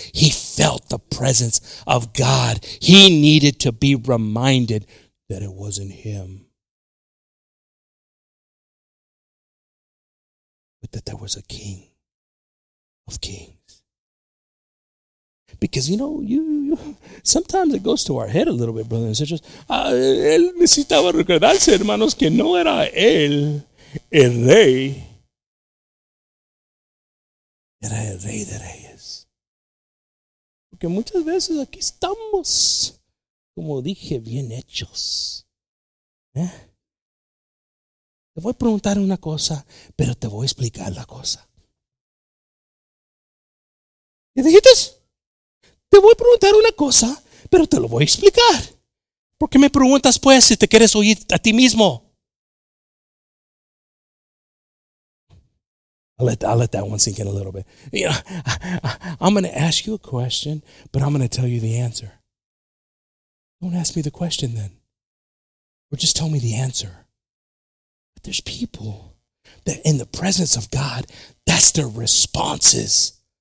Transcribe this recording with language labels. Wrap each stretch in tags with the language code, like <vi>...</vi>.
<en>He felt the presence of God. He needed to be reminded that it wasn't him, but that there was a king of kings. Because you know, you sometimes it goes to our head a little bit, brothers and sisters.</en> <es>Él necesitaba recordarse, hermanos, que no era él el rey. Era el rey de reyes. Porque muchas veces aquí estamos, como dije, bien hechos. Te voy a preguntar una cosa, pero te voy a explicar la cosa. ¿Me dijiste? Te voy a preguntar una cosa, pero te lo voy a explicar. ¿Por qué me preguntas pues si te quieres oír a ti mismo?</es> <en>I'll let that one sink in a little bit. You know, I'm going to ask you a question, but I'm going to tell you the answer. Don't ask me the question then. Or just tell me the answer. But there's people that in the presence of God, that's their responses.</en>